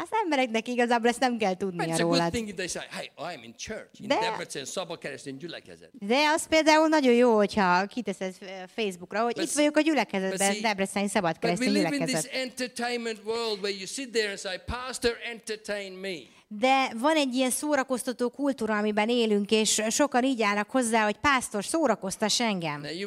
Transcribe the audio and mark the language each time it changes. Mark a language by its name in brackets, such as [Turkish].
[Hungarian] Az embereknek igazából ezt nem kell tudnia rólad. [English] It's a good thing if they say, "Hey, I am in church in Debrecen, Szabadkeresztény gyülekezet." [Hungarian] De az például nagyon jó, hogyha kiteszed Facebookra, hogy itt vagyok a gyülekezetben, Debrecen, Szabadkeresztény gyülekezet. [English] But we live in this entertainment world where you sit there and say, "Pastor, entertain me." [Hungarian] De van egy ilyen szórakoztató kultúra, amiben élünk, és sokan így állnak hozzá, hogy pásztor, szórakoztass engem.